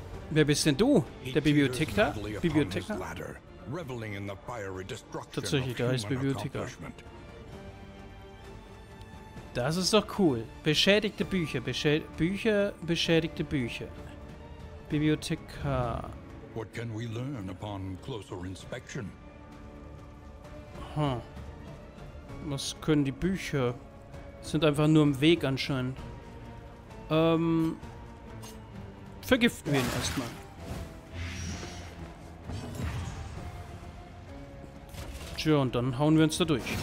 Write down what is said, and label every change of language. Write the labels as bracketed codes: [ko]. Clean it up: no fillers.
[de] Wer bist denn du? Der Bibliothekar? Bibliothekar? [en] Reveling in the fiery destruction. [de] Tatsächlich, da ist Bibliothekar. Das ist doch cool. Beschädigte Bücher, beschädigte Bücher. Bibliothekar. [en] What can we learn upon closer inspection? [de] Huh. Was können die Bücher? Sind einfach nur im Weg anscheinend. Vergiften wir ihn erstmal. Tja, und dann hauen wir uns da durch.